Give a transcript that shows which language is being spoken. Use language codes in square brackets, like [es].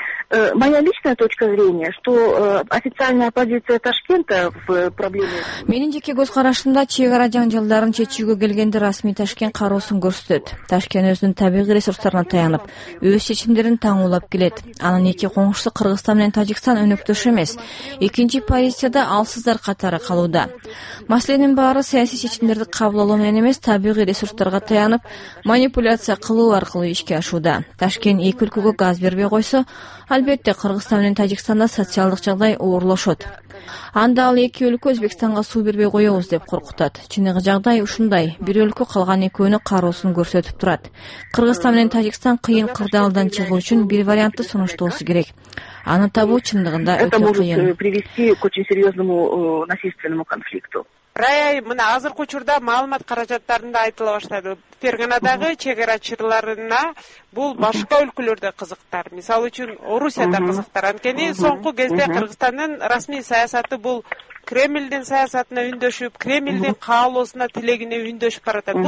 [ru] Моя личная точка зрения, что официальная позиция Ташкента в проблеме. [ky] Менин жеке көз карашымда чек ара жаңжалдарын чечүүгө келгенде расмий Ташкент кароосун көрсөтөт. Ташкент өзүнүн табигый ресурстарына таянып, өз чечимдерин таңуулап келет. Анын эки коңшусу Кыргызстан менен Тажикстан өнөктөш эмес. Экинчи позицияда алсыздар катары калууда. Маселенин баары саясий чечимдерди кабыл алуу менен эмес, табигый ресурстарга таянып, манипуляция кылуу аркылуу ишке ашууда. Ташкент эки өлкөгө газ бербей койсо, албетте, Кыргызстан менен Тажикстанда социалдык жагдай оорлошот. Анда ал эки өлкө Өзбекстанга суу бербей коебуз деп коркутат. Чыныгы жагдай ушундай, бир өлкө калган экөөнү кароосун көрсөтүп турат. Кыргызстан менен Тажикстан кыйын кырдаалдан чыгуу үчүн бир вариантты сунуштоосу керек. Аны табуу чындыгында өтө кыйын. [ru] Это может привести к очень серьезному насильственному конфликту. [ky] Рая, мына азыркы учурда маалымат каражаттарында айтыла баштады. Ферганадагы чек арачыларына бул башка өлкөлөрдө кызыктар. Мисалы үчүн Орусияда кызыктар. Анткени соңку кезде Кыргызстандын расмий саясаты бул Кремлдин саясатына үндөшүп, Кремлдин каалоосуна, тилегине үндөшүп баратат.